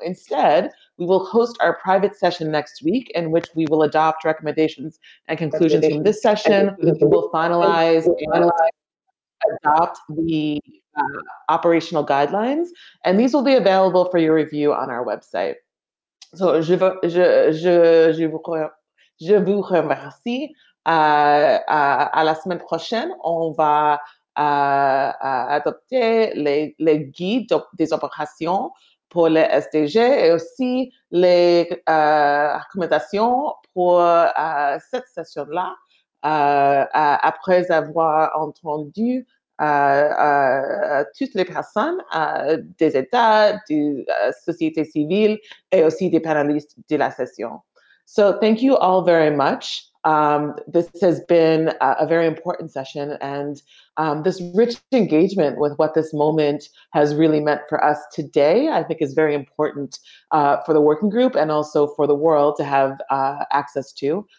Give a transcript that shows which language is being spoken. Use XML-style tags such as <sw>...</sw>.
<en>Instead, we will host our private session next week in which we will adopt recommendations and conclusions from this session. We will finalize and adopt the operational guidelines, and these will be available for your review on our website.</en> <fr>So je vous remercie. À la semaine prochaine, on va adopter les guides des opérations pour les SDG et aussi les recommandations pour cette session-là après avoir entendu toutes les personnes des États, de société civile et aussi des panélistes de la session.</fr> <en>So thank you all very much. This has been a very important session, and this rich engagement with what this moment has really meant for us today, I think is very important for the working group and also for the world to have access to.</en>